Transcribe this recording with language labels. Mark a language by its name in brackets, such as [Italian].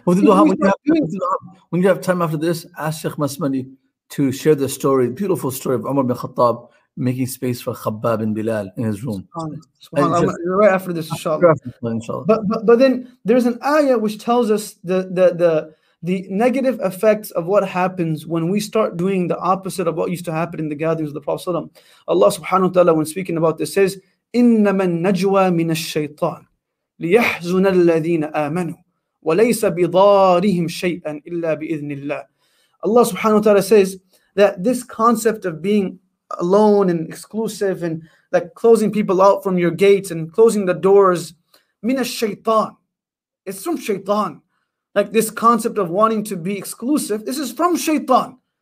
[English] When you have time after this, ask Sheikh Masmani to share the story, beautiful story of Umar bin Khattab making space for Khabbab and Bilal in his room. Right after this, inshallah. But then there's an ayah which tells us the negative effects of what happens when we start doing the opposite of what used to happen in the gatherings of the Prophet. Allah subhanahu wa ta'ala, when speaking about this, says, [Arabic] إِنَّمَا النَّجْوَى مِنَ الشَّيْطَانِ لِيَحْزُنَ الَّذِينَ آمَنُوا وَلَيْسَ بِضَارِهِمْ شَيْئًا إِلَّا بِإِذْنِ اللَّهِ. [English] Allah subhanahu wa ta'ala says that this concept of being alone and exclusive and like closing people out from your gates and closing the doors, [Arabic] مِنَ الشَّيْطَانِ, [English] it's from shaitan. Like this concept of wanting to be exclusive, this is from shaitan.